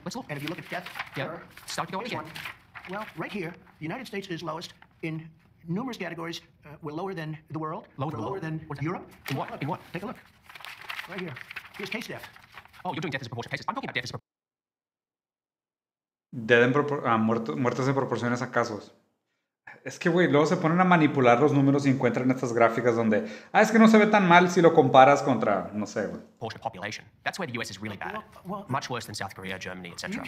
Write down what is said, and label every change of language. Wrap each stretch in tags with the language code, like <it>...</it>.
<en>Let's look. And if you look at death. Yeah. Error, start going again. One. Well, right here, the United States is lowest in numerous categories. We're lower than the world. Lower than Europe. In what? In what? Take a look. Right here. Here's case death. Oh, you're doing death as a proportion of cases. I'm talking about death as a</en> <es>muertes en proporciones a casos. Es que, güey, luego se ponen a manipular los números y encuentran estas gráficas donde, es que no se ve tan mal si lo comparas contra, no sé, güey.</es> <en>Population. That's where the U.S. is really bad. Well, much worse than South Korea, Germany, etc.</en>